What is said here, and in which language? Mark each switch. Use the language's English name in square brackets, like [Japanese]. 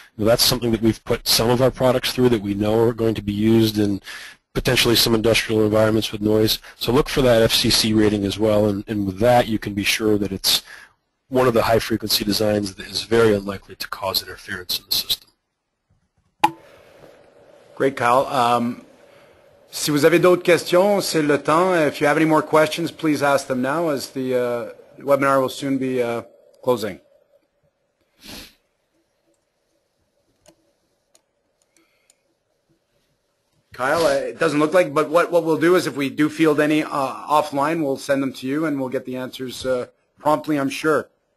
[English] Now, that's something that we've put some of our products through that we know are going to be used in potentially some industrial environments with noise. So look for that FCC rating as well, and with that you can be sure that it's one of the high frequency designs that is very unlikely to cause interference in the system. Great, Kyle. [French] Si vous avez d'autres questions, c'est le temps. [English] If you have any more questions, please ask them now, as the webinar will soon be closing. Kyle, it doesn't look like, but what we'll do is, if we do field any offline, we'll send them to you, and we'll get the answers promptly, I'm sure.